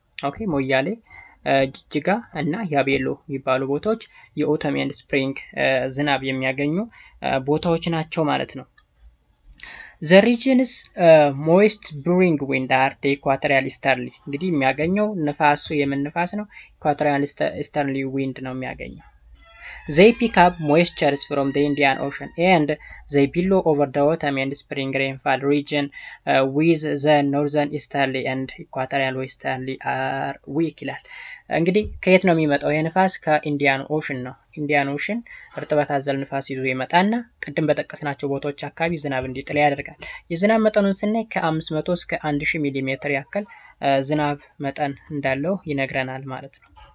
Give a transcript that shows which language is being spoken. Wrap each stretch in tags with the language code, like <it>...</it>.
<am>ኦኬ ሞያሌ ጅጅጋ እና ያቤሎ የሚባሉ ቦታዎች የautumn and spring ዝናብ የሚያገኙ ቦታዎች ናቸው ማለት ነው</am> <en>The region is moist bearing wind at the equatorial easterly.</en> <am>እንግዲህ የሚያገኘው ንፋሱ የምን ንፋስ ነው?</am> <en>Equatorial easterly wind</en> <am>ነው የሚያገኘው.</am> <en>They pick up moisture from the Indian Ocean and they billow over the autumn and spring rainfall region with the northern easterly and equatorial westerly are weak</en> <am>ይላል። እንግዲህ ከየት ነው የሚመጣው የነፋስ? ከኢንዲያን ኦሽን ነው። ኢንዲያን ኦሽን እርጥበት አዘል ንፋስ ይዞ ይመጣና ቀደም በተቀሰናቸው ቦታዎች አካባቢ ዝናብ እንዲጥል ያደርጋል። የዝናብ መጠኑን ስናይ ከ500 እስከ 1000 ሚሜ ያክል ዝናብ መጠን እንዳለው ይነግረናል ማለት ነው።</am>